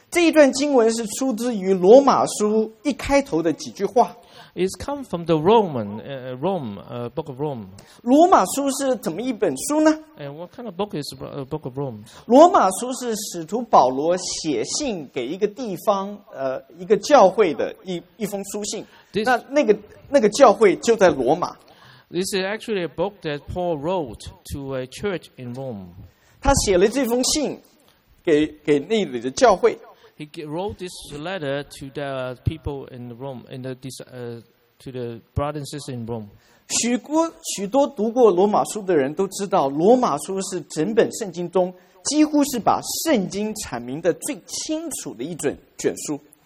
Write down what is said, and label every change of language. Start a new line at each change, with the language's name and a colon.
Chinese: 这一段经文是出自于罗马书一开头的几句话。
English: It's come from the Roman, book of Rome.
Chinese: 罗马书是怎么一本书呢？
English: And what kind of book is a book of Rome?
Chinese: 罗马书是使徒保罗写信给一个地方，一个教会的一封书信。那个教会就在罗马。
English: This is actually a book that Paul wrote to a church in Rome.
Chinese: 他写了这封信给那里的教会。
English: He wrote this letter to the people in Rome, to the brothers and sisters in Rome.
Chinese: 许多读过罗马书的人都知道，罗马书是整本圣经中几乎是把圣经阐明的最清楚的一卷卷书。